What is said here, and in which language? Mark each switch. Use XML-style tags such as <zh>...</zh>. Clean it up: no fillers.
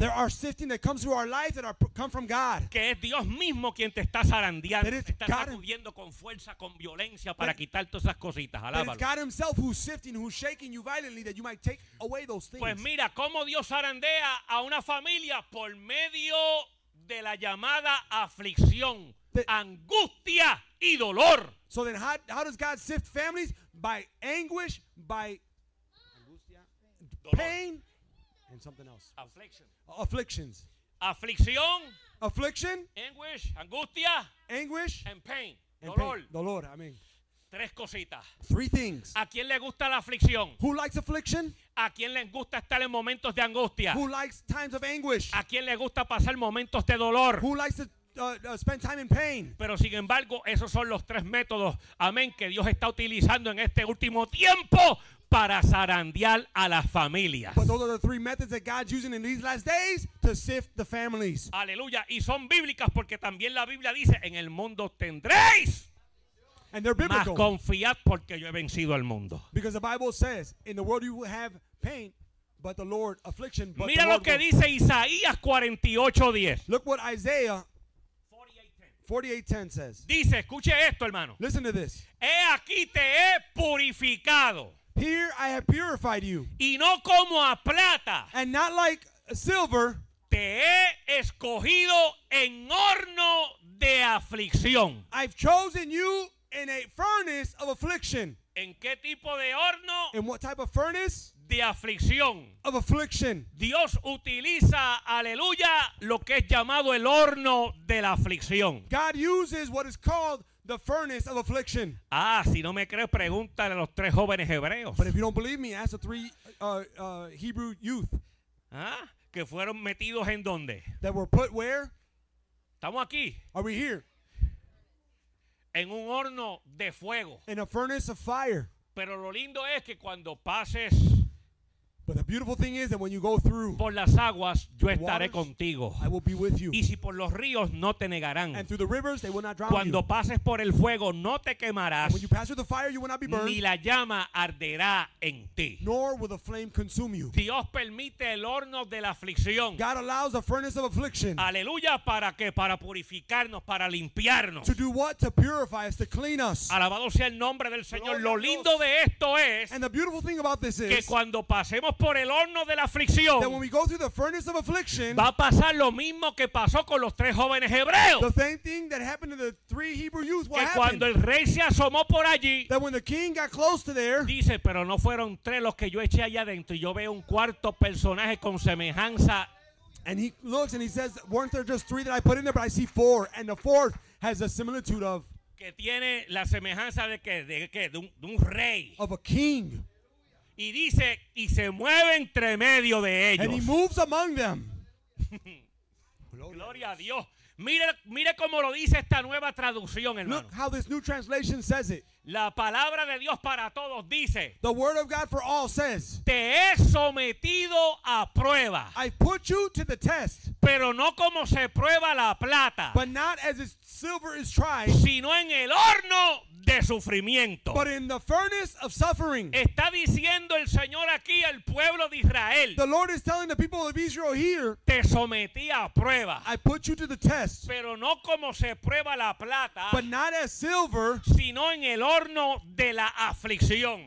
<en>There are sifting that comes through our life that come from God.</en> <es>Que es Dios mismo quien te está zarandeando, te está sacudiendo con fuerza, con violencia para quitar todas esas cositas. Alábalo.</es> <en>It's God himself who's sifting, who's shaking you violently that you might take away those things.</en> <es>Pues mira, cómo Dios zarandea a una familia por medio de la llamada aflicción, angustia y dolor.</es> <en>So then how does God sift families? By anguish, by angustia, pain,</en> <es>dolor.</es> <en>And something else. Affliction. Afflictions.</en> <es>Aflicción.</es> <en>Affliction. Anguish, angustia. Anguish. And pain. And dolor. Pain. Dolor, I mean.</en> <es>Tres cositas.</es> <en>Three things.</en> <es>¿A quién le gusta la aflicción?</es> <en>Who likes affliction?</en> <es>¿A quién le gusta estar en momentos de angustia?</es> <en>Who likes times of anguish?</en> <es>¿A quién le gusta pasar momentos de dolor?</es> <en>Who likes to spend time in pain?</en> <es>Pero sin embargo, esos son los tres métodos, amén, que Dios está utilizando en este último tiempo para zarandear a las familias.</es> <en>But those are the three methods that God's using in these last days to sift the families.</en> <es>Aleluya. Y son bíblicas porque también la Biblia dice, en el mundo tendréis.</es> <en>And they're biblical.</en> <es>Mas confiad porque yo he vencido al mundo.</es> <en>Because the Bible says, in the world you will have pain, but the Lord affliction. But</en> <es>mira</es> <en>the</en> <es>lo</es> <en>Lord</en> <es>que</es> <en>will...</en> <es>dice Isaías 48:10.</es> <en>Look what Isaiah 48:10 says.</en> <es>Dice, escuche esto, hermano.</es> <en>Listen to this.</en> <es>He aquí te he purificado.</es> <en>Here I have purified you.</en> <es>Y no como a plata.</es> <en>And not like silver.</en> <es>Te he escogido en horno de aflicción.</es> <en>I've chosen you in a furnace of affliction.</en> <es>¿En qué tipo de horno?</es> <en>In what type of furnace?</en> <es>De aflicción.</es> <en>Of affliction.</en> <es>Dios utiliza, aleluya, lo que es llamado el horno de la aflicción.</es> <en>God uses what is called the furnace of affliction.</en> <es>Ah, si no me crees, pregúntale a los tres jóvenes hebreos.</es> <en>But if you don't believe me, ask the three Hebrew youth. ¿Ah?</en> <es>¿Que fueron metidos en dónde?</es> <en>That were put where?</en> <es>Estamos aquí.</es> <en>Are we here?</en> <es>En un horno de fuego.</es> <en>In a furnace of fire.</en> <es>Pero lo lindo es que cuando pases.</es> <en>But the beautiful thing is that when you go through.</en> <es>Por las aguas, yo estaré waters, contigo.</es> <en>I will be with you.</en> <es>Y si por los ríos, no te negarán.</es> <en>And through the rivers, they will not drown</en> <es>cuando</es> <en>you.</en> <es>Pases por el fuego, no te quemarás.</es> <en>And when you pass through the fire, you will not be burned.</en> <es>Ni la llama arderá en ti.</es> <en>Nor will the flame consume you.</en> <es>Dios permite el horno de la aflicción.</es> <en>God allows a furnace of affliction.</en> <es>Aleluya, ¿para qué? Para purificarnos, para limpiarnos.</es> <en>To do what? To purify us, to clean us.</en> <es>Alabado sea el nombre del Señor. Lo lindo de esto es.</es> <en>And the beautiful thing about this is.</en> <es>Que cuando pasemos por el horno de la aflicción,</es> <en>that when we go through the furnace of affliction,</en> <es>va a pasar lo mismo que pasó con los tres jóvenes hebreos.</es> <en>The same thing that happened to the three Hebrew youth.</en> <es>Que cuando el rey se asomó por allí,</es> <en>that when the king got close to there,</en> <es>dice, pero no fueron tres los que yo eché allá adentro, yo veo un cuarto personaje con semejanza.</es> <en>And he looks and he says, weren't there just three that I put in there, but I see four, and the fourth has a similitude of,</en> <es>que tiene la semejanza de que de un rey,</es> <en>of a king.</en> <es>Y dice, y se mueve entre medio de ellos.</es> <en>And he moves among them.</en> <es>Gloria a Dios. Mire cómo lo dice esta nueva traducción, hermano.</es> <en>Look how this new translation says it.</en> <es>La palabra de Dios para todos dice,</es> <en>the word of God for all says,</en> <es>te he sometido a prueba.</es> <en>I put you to the test.</en> <es>Pero no como se prueba la plata.</es> <en>But not as it's silver is tried,</en> <es>sino en el horno de sufrimiento.</es> <en>But in the furnace of suffering,</en> <es>está diciendo el Señor aquí al pueblo de Israel,</es> <en>the Lord is telling the people of Israel here,</en> <es>te sometí a prueba,</es> <en>I put you to the test,</en> <es>pero no como se prueba la plata,</es> <en>but not as silver,</en> <es>sino en el horno de la aflicción,</es>